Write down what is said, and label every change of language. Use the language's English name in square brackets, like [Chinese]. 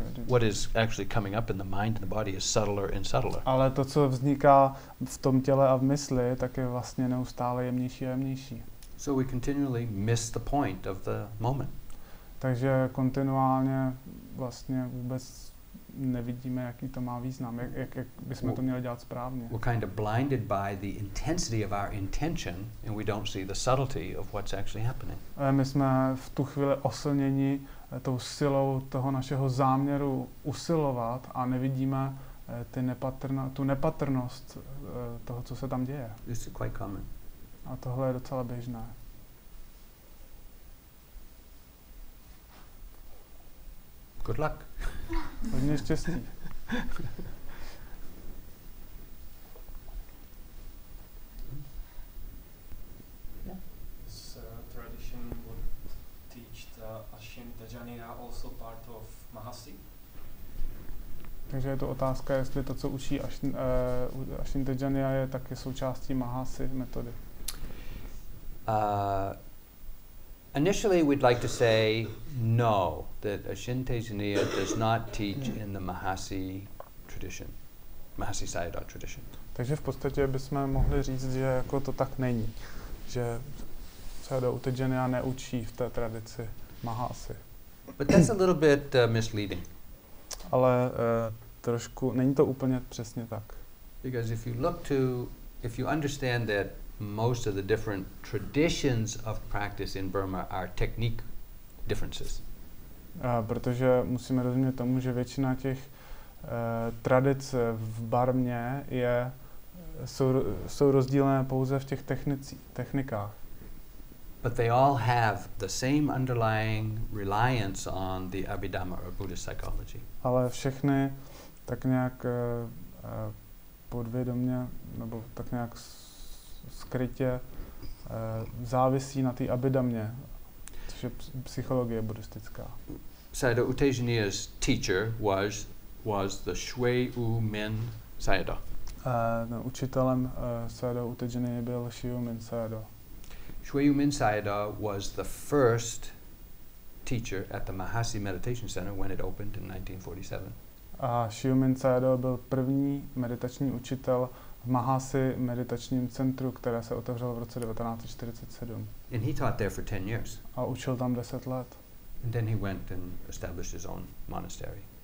[English] What is actually coming up in the mind and the body is subtler and subtler. [Czech] Ale to, co vzniká v tom těle a v mysli, tak je vlastně neustále jemnější a jemnější. [English] So we continually miss the point of the moment. [Czech] Takže kontinuálně vlastně vůbec nevidíme, jaký to má význam, jak bychom to měli dělat správně. [English] We're kind of blinded by the intensity of our intention and we don't see the subtlety of what's actually happening. [Czech] My jsme v tu chvíli oslněni tou silou toho našeho záměru usilovat a nevidíme tu nepatrnost toho, co se tam děje. [English] This is quite common. [Czech] A tohle je docela běžné. [English] Good luck. [Czech] Hodně štěstí. [English] This tradition would teach the Ashim Dajanina also part of Mahasi. [Czech] Takže je to otázka, jestli to, co učí Ashim Dajanina, je taky součástí Mahasi metody. [English] Initially, we'd like to say no, that Ashin Tejaniya does not teach in the Mahasi tradition, Mahasi Sayadaw tradition. [Czech] Takže v podstatě bychom mohli říct, že jako to tak není, že Sayadaw Tejaniya neučí v té tradici Mahasi. [English] But that's a little bit misleading. [Czech] Ale trošku, není to úplně přesně tak. [English] Because if you understand that most of the different traditions of practice in Burma are technique differences. [Czech] Protože musíme rozumět tomu, že většina těch tradic v Barmě je jsou rozdílné pouze v těch technikách. [English] But they all have the same underlying reliance on the Abhidhamma or Buddhist psychology. [Czech] Ale všechny tak nějak podvědomně nebo tak nějak skrytě závisí na té Abhidhamě, což je psychologie buddhistická. [English] Sayadaw Utejaniya's teacher was the Shui U Min Sayadaw. [Czech] Učitelem Sayadaw Utejaniya byl Shui U Min Sayadaw. [English] Shui U Min Sayadaw was the first teacher at the Mahasi Meditation Center when it opened in 1947. [Czech] A Shui U Min Sayadaw byl první meditační učitel v Mahasi meditačním centru, které se otevřelo v roce 1947. [English] And he taught there for 10 years. [Czech] A učil tam 10 let. [English] And then he went and established his own monastery.